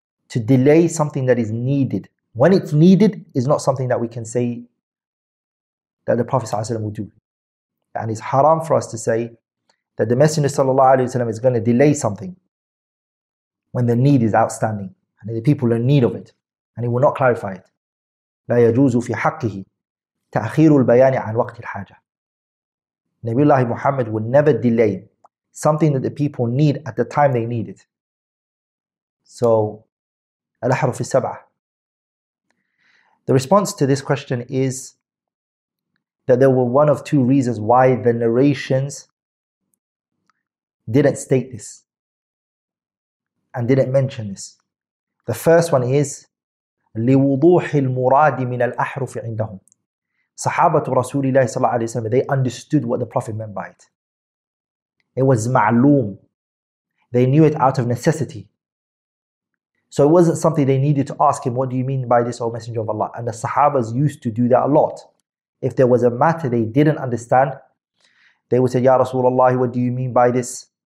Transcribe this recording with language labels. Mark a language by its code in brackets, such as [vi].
[en] To delay something that is needed, when it's needed, is not something that we can say that the Prophet sallallahu alayhi wa sallam would do. And it's haram for us to say that the Messenger sallallahu alayhi wa sallam is going to delay something when the need is outstanding and the people are in need of it, and he will not clarify it. [ar] لا يجوز في حقه تأخير البيان عن وقت الحاجة. [en] Nabiullah Muhammad will never delay something that the people need at the time they need it. So, الأحرف السبعة. The response to this question is that there were one of two reasons why the narrations didn't state this and didn't mention this. The first one is [ar] لِوُضُوحِ الْمُرَادِ مِنَ الْأَحْرُفِ عِنْدَهُمْ. صَحَابَةُ رَسُولِ اللَّهِ صَلَّى اللَّهُ عَلَيْهِ وَسَلَّمَ, [en] they understood what the Prophet meant by it. It was ma'loom. They knew it out of necessity. So it wasn't something they needed to ask him, what do you mean by this, O Messenger of Allah? And the Sahabas used to do that a lot. If there was a matter they didn't understand, they would say, Ya Rasulullah, what do you mean by this?